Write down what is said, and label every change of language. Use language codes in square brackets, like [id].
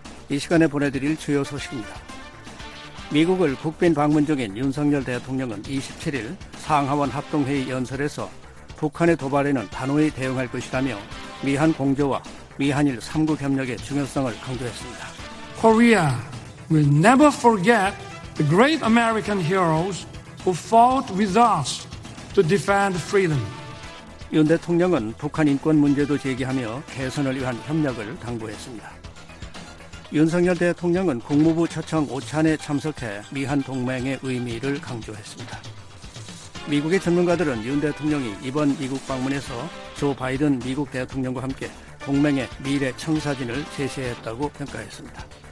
[ko] 이 시간에 보내드릴 주요 소식입니다. 미국을 국빈 방문 중인 윤석열 대통령은 27일 상하원 합동회의 연설에서 북한의 도발에는 단호히 대응할 것이라며 미한 공조와 미한일 3국 협력의 중요성을 강조했습니다. [en] Korea will never forget the great American heroes who fought with us to defend freedom. [ko] 윤 대통령은 북한 인권 문제도 제기하며 개선을 위한 협력을 당부했습니다. 윤석열 대통령은 국무부 초청 오찬에 참석해 미한 동맹의 의미를 강조했습니다. 미국의 전문가들은 윤 대통령이 이번 미국 방문에서 조 바이든 미국 대통령과 함께 동맹의 미래 청사진을 제시했다고 평가했습니다.